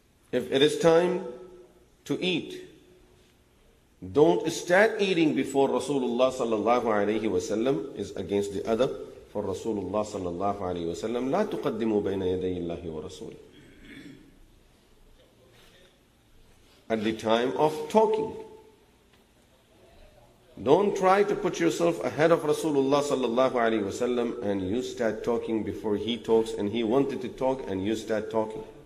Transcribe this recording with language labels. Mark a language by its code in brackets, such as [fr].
[en] If it is time to eat, don't start eating before Rasulullah sallallahu alayhi wa sallam is against the adab for Rasulullah sallallahu alayhi wa sallam. [ar] لا تقدموا بين يدي الله ورسوله. [en] At the time of talking, don't try to put yourself ahead of Rasulullah sallallahu alayhi wa sallam and you start talking before he talks and he wanted to talk and you start talking.